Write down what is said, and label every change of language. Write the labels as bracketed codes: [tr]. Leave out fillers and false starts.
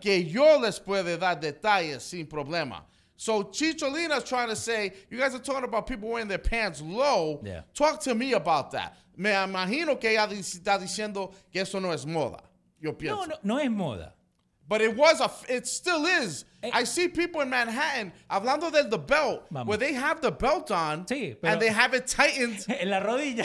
[es] Que yo les puede dar detalles sin problema. [en] So Chicholina is trying to say, you guys are talking about people wearing their pants low. Yeah. Talk to me about that. [es] Me imagino que ella está diciendo que eso no es moda. Yo pienso. No es moda. [en] But it was it still is. I see people in Manhattan, [es] hablando de [en] the belt, Mama. Where they have the belt on, [es] sí, [en] and they have it tightened [es] en la rodilla.